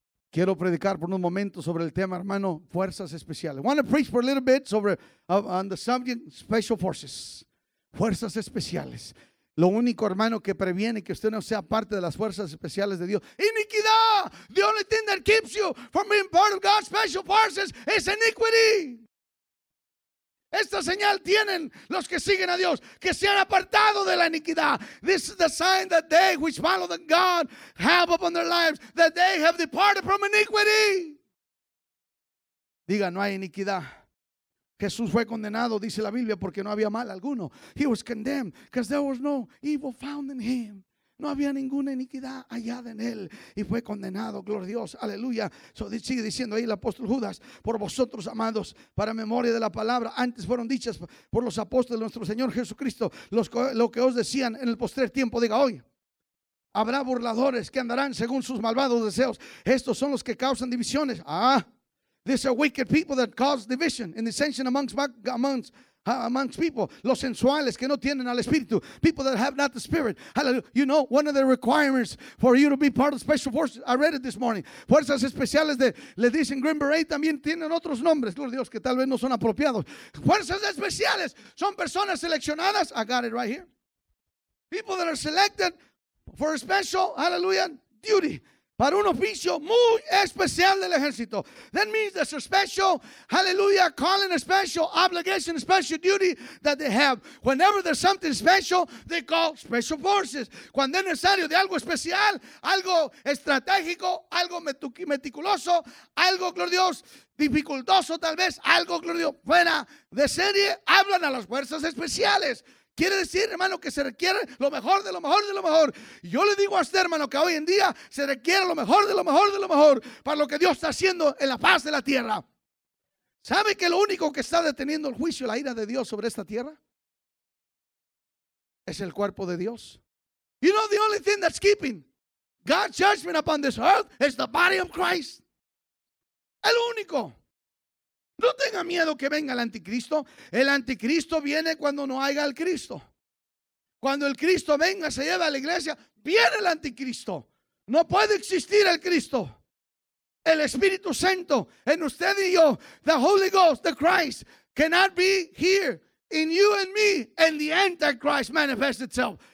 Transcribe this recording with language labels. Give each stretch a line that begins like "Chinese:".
Spanish: Quiero predicar por un momento sobre el tema, hermano, fuerzas especiales.
English: I want to preach for a little bit
Spanish: sobre
English: on the subject special forces.
Spanish: Fuerzas especiales. Lo único, hermano, que previene que usted no sea parte de las fuerzas especiales de Dios. Iniquidad.
English: The only thing that keeps you from being part of God's special forces is iniquity.
Spanish: Esta señal tienen los que siguen a Dios, que se han apartado de la iniquidad.
English: This is the sign that they which follow the God have upon their lives, that they have departed from iniquity.
Spanish: Diga, no hay iniquidad. Jesús fue condenado, dice la Biblia, porque no había mal alguno.
English: He was condemned because there was no evil found in him.
Spanish: No había ninguna iniquidad hallada en él y fue condenado, gloria a Dios, aleluya. So, sigue diciendo ahí el apóstol Judas, por vosotros amados, para memoria de la palabra, antes fueron dichas por los apóstoles de nuestro Señor Jesucristo, lo que os decían en el postrer tiempo, diga hoy. Habrá burladores que andarán según sus malvados deseos, estos son los que causan divisiones.
English: Ah, these are wicked people that cause division and dissension amongst people,
Spanish: los sensuales que no tienen al espíritu,
English: people that have not the spirit. Hallelujah. You know, one of the requirements for you to be part of special forces, I read it this morning.
Spanish: Fuerzas especiales de, le dicen Green Beret, también tienen otros nombres, gloria a Dios, que tal vez no son apropiados. Fuerzas especiales son personas seleccionadas.
English: I got it right here. People that are selected for a special, hallelujah, duty.
Spanish: Para un oficio muy especial del ejército.
English: That means there's a special, hallelujah, calling, a special obligation, a special duty that they have. Whenever there's something special, they call special forces.
Spanish: Cuando es necesario de algo especial, algo estratégico, algo meticuloso, algo, gloria a Dios, dificultoso tal vez, algo, gloria a Dios, fuera de serie, hablan a las fuerzas especiales. Quiere decir, hermano, que se requiere lo mejor de lo mejor de lo mejor. Yo le digo a usted, hermano, que hoy en día se requiere lo mejor de lo mejor de lo mejor para lo que Dios está haciendo en la faz de la tierra. ¿Sabe que lo único que está deteniendo el juicio, la ira de Dios sobre esta tierra? Es el cuerpo de Dios.
English: You know, the only thing that's keeping God's judgment upon this earth is the body of Christ.
Spanish: El único. No tenga miedo que venga el anticristo. El anticristo viene cuando no haya el Cristo. Cuando el Cristo venga, se lleva a la iglesia, viene el anticristo. No puede existir el Cristo. El Espíritu Santo en usted y yo,
English: the Holy Ghost, the Christ, cannot be here in you and me, and the Antichrist manifests itself.